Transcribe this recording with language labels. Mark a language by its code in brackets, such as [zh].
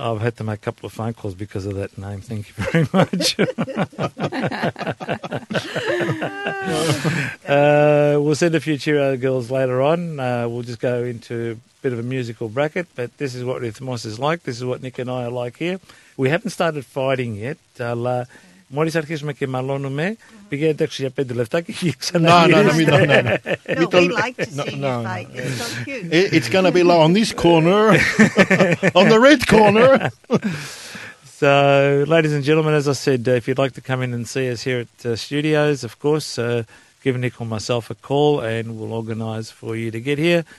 [en] I've had to make a couple of phone calls because of that name. Thank you very much. we'll send a few cheerio girls later on. We'll just go into a bit of a musical bracket, but this is what Rhythmos is like. This is what Nick and I are like here. We haven't started fighting yet. [el] Μόλις αρχίσουμε και μαλώνουμε, πηγαίνετε έξω για πέντε λεφτά και ξαναγυρίζετε. [en] No, no, no, no, no. No, we'd like to see you fight. It's so cute. It's going to be like on this corner, on the red corner. So, ladies and gentlemen, as I said, if you'd like to come in and see us here at studios, of course, give Nick or myself a call and we'll organise for you to get here.